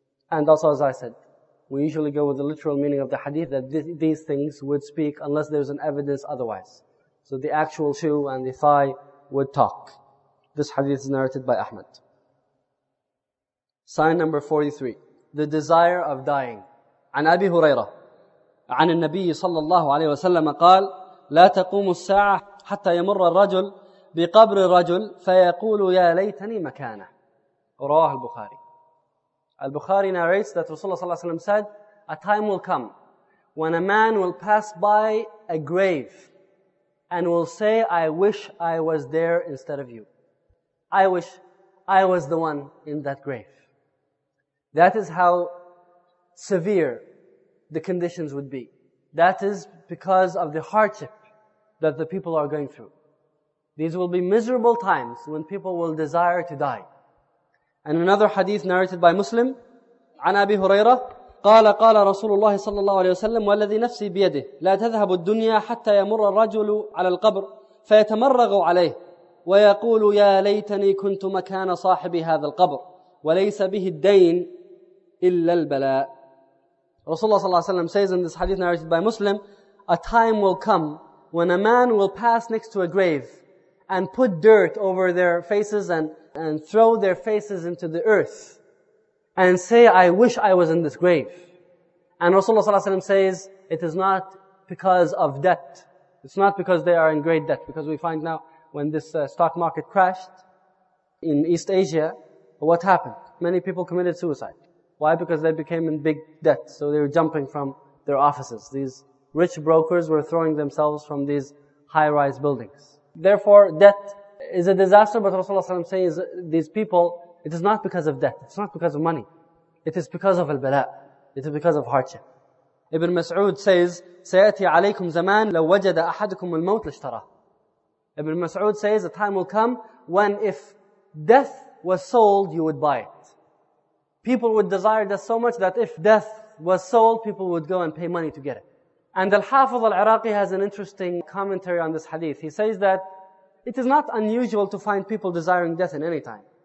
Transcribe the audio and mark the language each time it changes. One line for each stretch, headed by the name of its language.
English: And also, as I said, we usually go with the literal meaning of the hadith, that these things would speak unless there's an evidence otherwise. So the actual shoe and the thigh would talk. This hadith is narrated by Ahmad. Sign number 43, the desire of dying.
Arabic: عن أبي هريرة عن النبي صلى الله عليه وسلم قال لا تقوم الساعة حتى يمر الرجل بقبر الرجل فيقول يا ليتني مكانه. رواه البخاري.
English: البخاري narrates that Rasulullah صلى الله عليه وسلم said, a time will come when a man will pass by a grave and will say, I wish I was there instead of you. I wish I was the one in that grave. That is how severe the conditions would be. That is because of the hardship that the people are going through. These will be miserable times when people will desire to die. And another hadith narrated by Muslim,
Arabic: عن أبي هريرة قال قال رسول الله صلى الله عليه وسلم والذي نفسي بيده لا تذهب الدنيا حتى يمر الرجل على القبر فيتمرغ عليه ويقول يا ليتني كنت مكان صاحب هذا القبر وليس به الدين إلا البلاء.
English: Rasulullah sallallahu alaihi wasallam says in this hadith narrated by Muslim, a time will come when a man will pass next to a grave and put dirt over their faces and throw their faces into the earth and say, I wish I was in this grave. And Rasulullah sallallahu alaihi wasallam says, it is not because of debt. It's not because they are in great debt, because we find now when this stock market crashed in East Asia, what happened? Many people committed suicide. Why? Because they became in big debt. So they were jumping from their offices. These rich brokers were throwing themselves from these high-rise buildings. Therefore, debt is a disaster. But Rasulullah sallallahu alaihi wasallam saying is, these people, it is not because of debt. It's not because of money. It is because of al-bala. It is because of hardship.
Arabic: Ibn Mas'ud says, سَيَأْتِي عَلَيْكُمْ زَمَانْ لَوْ وَجَدَ أَحَدُكُمُ الْمَوْتِ لَشْتَرَهُ.
English: Ibn Mas'ud says, a time will come when if death was sold, you would buy it. People would desire death so much that if death was sold, people would go and pay money to get it. And Al-Hafiz Al-Iraqi has an interesting commentary on this hadith. He says that it is not unusual to find people desiring death in any time.